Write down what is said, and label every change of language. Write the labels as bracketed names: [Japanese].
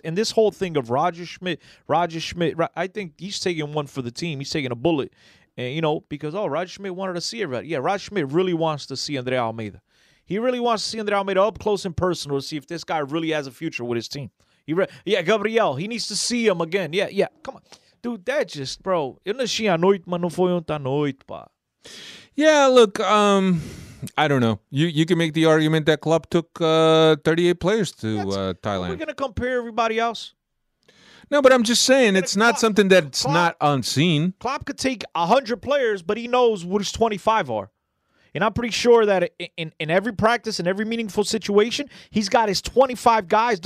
[English] And this whole thing of Roger Schmidt, I think he's taking one for the team. He's taking a bullet. And, you know, because, oh, Roger Schmidt wanted to see everybody. Yeah, Roger Schmidt really wants to see Andre Almeida. He really wants to see Andre Almeida up close and personal to see if this guy really has a future with his team. Gabriel, he needs to see him again. Yeah, come on. Dude, that just, bro. [Portuguese] Eu não tinha noite, mas não foi ontem à noite, pá. [English] Yeah, look, I don't know. You can make the argument that Klopp took 38 players to Thailand. Are we going to compare everybody else? No, but I'm just saying, it's not something that's not unseen. Klopp could take 100 players, but he knows what his 25 are. And I'm pretty sure that in every practice, in every meaningful situation, he's got his 25 guys.